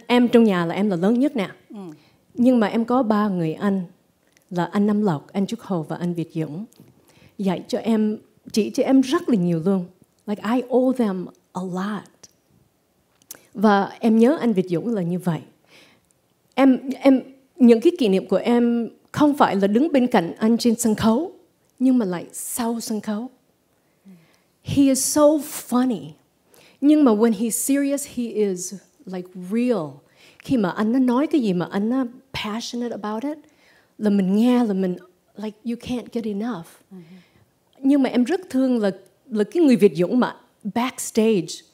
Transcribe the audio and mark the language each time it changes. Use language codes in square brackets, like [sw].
[vi] Em trong nhà là em là lớn nhất nè. Nhưng mà em có ba người anh, là anh Nam Lộc, anh Trúc Hồ và anh Việt Dũng, dạy cho em, chỉ cho em rất là nhiều luôn. Like I owe them a lot. Và em nhớ anh Việt Dũng là như vậy. Em những cái kỷ niệm của em không phải là đứng bên cạnh anh trên sân khấu, nhưng mà lại sau sân khấu. [en] He is so funny. Nhưng mà when he's serious, he is like real. [vi] Khi mà anh nói cái gì mà anh passionate about it, là mình nghe là mình like you can't get enough. Nhưng mà em rất thương là cái người Việt Dũng mà backstage.